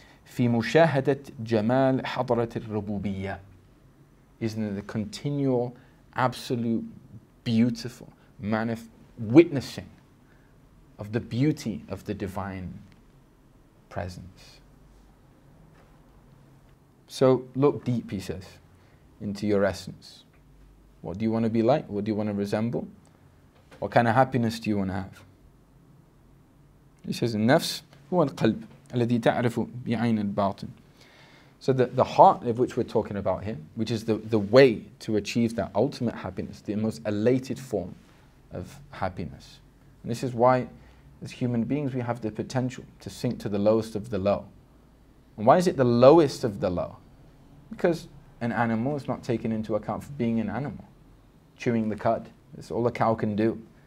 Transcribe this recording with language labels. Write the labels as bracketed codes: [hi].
[ar] في مشاهدة جمال حضرة الربوبية [en] is in the continual, absolute, beautiful witnessing of the beauty of the divine presence. So look deep, he says, into your essence. What do you want to be like? What do you want to resemble? What kind of happiness do you want to have? He says, [ar] النفس هو القلب الذي تعرف بعين الباطن. [en] So the heart of which we're talking about here, which is the way to achieve that ultimate happiness, the most elated form of happiness. And this is why, as human beings, we have the potential to sink to the lowest of the low. And why is it the lowest of the low? Because an animal is not taken into account for being an animal. Chewing the cud, that's all a cow can do.